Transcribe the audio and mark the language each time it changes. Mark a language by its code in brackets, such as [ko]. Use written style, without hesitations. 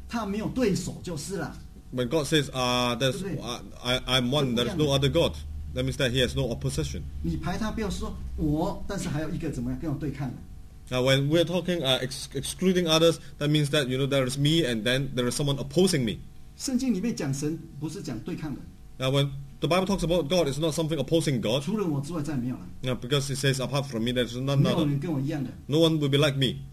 [zh] 真理神不是排人的，神是神，神都是讲我是独一的，除了我之外没有，就是他没有对手就是了。When [en] God says, there's I'm one, there's no other God, that means that He has no opposition. [zh] 你排他，不要说我，但是还有一个怎么样跟我对抗的。Now [en] when we're talking excluding others, that means that you know there is me and then there is someone opposing me. [zh] 圣经里面讲神不是讲对抗的。 [en] Now when the Bible talks about God, it's not something opposing God. Because it says, apart from me, there's none other. No one will be like me.